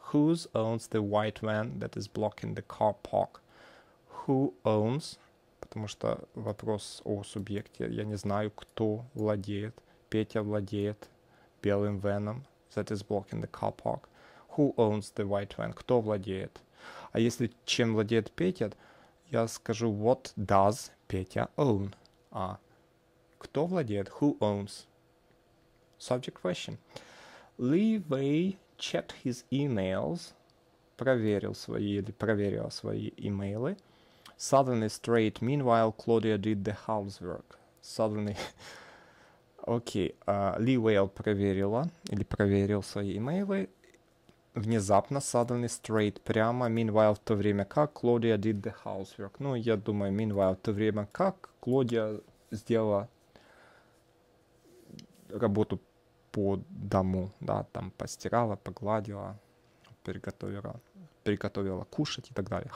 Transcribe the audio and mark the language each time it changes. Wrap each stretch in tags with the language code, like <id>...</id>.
<en>Who owns the white van that is blocking the car park? Who owns?</en> <ru>Потому что вопрос о субъекте. Я не знаю, кто владеет. Петя владеет белым веном</ru> <en>that is blocking the car park. Who owns the white van?</en> <ru>Кто владеет? А если чем владеет Петя, я скажу</ru> <en>what does Петя own?</en> <ru>А кто владеет?</ru> <en>Who owns? Subject question. Li Wei checked his emails.</en> <ru>Проверил свои имейлы.</ru> <en>Suddenly straight. Meanwhile, Claudia did the housework. Suddenly</en> <ru>Окей, Ли Уэйл проверила или проверил свои имейлы. Внезапно</ru> <en>suddenly straight</en> <ru>прямо meanwhile в то время как Клодия</ru> <en>did the housework.</en> <ru>Ну, я думаю, meanwhile в то время как Клодия сделала работу по дому, да, там постирала, погладила, приготовила кушать и так далее.</ru>